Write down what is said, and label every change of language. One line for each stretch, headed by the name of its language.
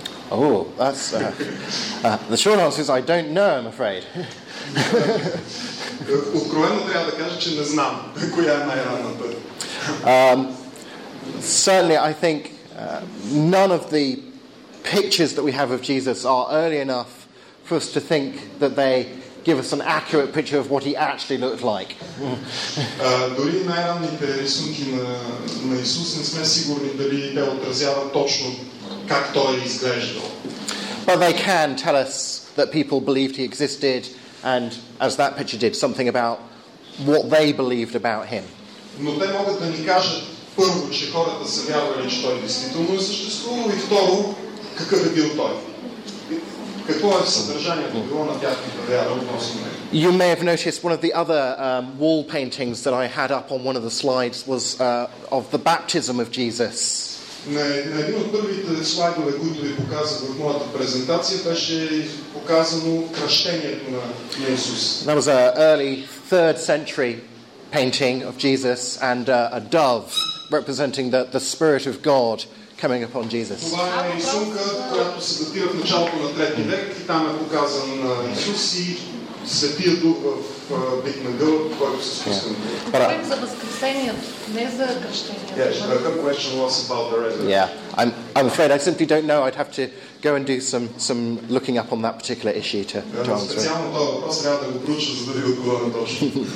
English: Oh, that's the short answer is I don't know, I'm afraid.
Bulgarian: Откровено трябва да кажа, че не знам коя е най-ранната.
English: Certainly, I think none of the pictures that we have of Jesus are early enough for us to think that they give us an accurate picture of what he actually looked like.
Bulgarian: Дори най-ранните рисунки на Исус не сме сигурни дали те отразяват точно как той изглеждал.
English: But they can tell us that people believed he existed, and as that picture did, something about what they believed about him.
Bulgarian: Но те могат да ни кажат първо, че хората са вярвали, че той действително е съществувал, и второ, какъв е бил той. Какво е съдържанието било на тяхната вяра относно него?
English: You may have noticed one of the other wall paintings that I had up on one of the slides was of the baptism of Jesus.
Bulgarian: На един от първите слайдове, които ви показах в моята презентация, беше показано кръщението на Исус.
English: That was an early 3rd century painting of Jesus and a dove representing the Spirit of God coming upon Jesus. Mm-hmm.
Bulgarian: бит на гълът, който се спуска на гълът. Говорим за възкресението, не за кръщението.
English: Yeah, the other question was about the resurrection. Yeah, I'm afraid I simply don't know. I'd have to go and do some looking up on that particular issue to answer.
Bulgarian: Специално този въпрос трябва да го проуча, за да ви отговоря точно.